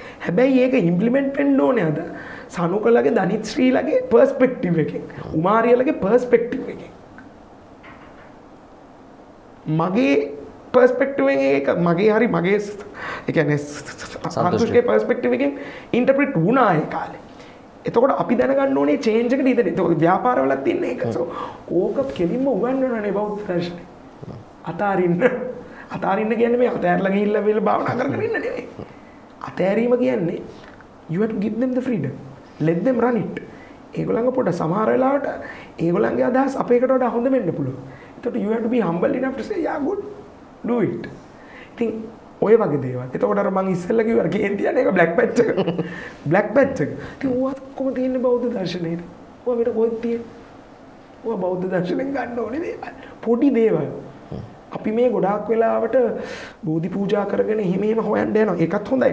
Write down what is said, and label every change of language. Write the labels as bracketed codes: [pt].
[si] හැබැයි ඒක ඉම්ප්ලිමෙන්ට් වෙන්න ඕනේ අද සනුකලගේ දනිත් ශ්‍රීලගේ පර්ස්පෙක්ටිව් එකෙන්, උමාරියලගේ පර්ස්පෙක්ටිව් එකෙන්, මගේ පර්ස්පෙක්ටිවෙන් ඒක මගේ හරි මගේ ඒ කියන්නේ සතුෂ්ගේ පර්ස්පෙක්ටිවෙන් ඉන්ටර්ප්‍රිට් වුණා ඒ කාලේ. එතකොට අපි දැනගන්න ඕනේ චේන්ජ් එකට ඉදෙන. එතකොට ව්‍යාපාරවලත් තියෙන එක. සෝ ඕක කෙලින්ම උගන්වන්න ඕනේ බෞද්ධ දර්ශනේ. අතාරින්න. අතාරින්න කියන්නේ මේ අතෑරලා ගිහිල්ලා වෙල භාවනා කරගෙන ඉන්න නෙවෙයි. අතෑරීම කියන්නේ [en] you have to give them the freedom. Let them run it. [si] ඒගොල්ලන්ගේ පොඩ සමහර වෙලාවට ඒගොල්ලන්ගේ අදහස් අපේකට වඩා හොඳ වෙන්න පුළුවන්. එතකොට [en] you have to be humble enough to say yeah good. Do it. [si] ඉතින් ඔය වගේ දේවල්. එතකොට අර මං ඉස්සෙල්ල කිව්වා කේන් තියන එක බ්ලැක් පැච් එක. බ්ලැක් පැච් එක. ඉතින් ඌත් කොහොමද තියෙන්නේ බෞද්ධ දර්ශනේ? ඌ අපිට කොහෙද තියෙන්නේ? ඌ බෞද්ධ දර්ශනෙන් ගන්න ඕනේ දේවල්. පොඩි දේවල්. අපි මේ ගොඩාක් වෙලාවට බෝධි පූජා කරගෙන හිමේම හොයන්න යනවා. ඒකත් හොඳයි.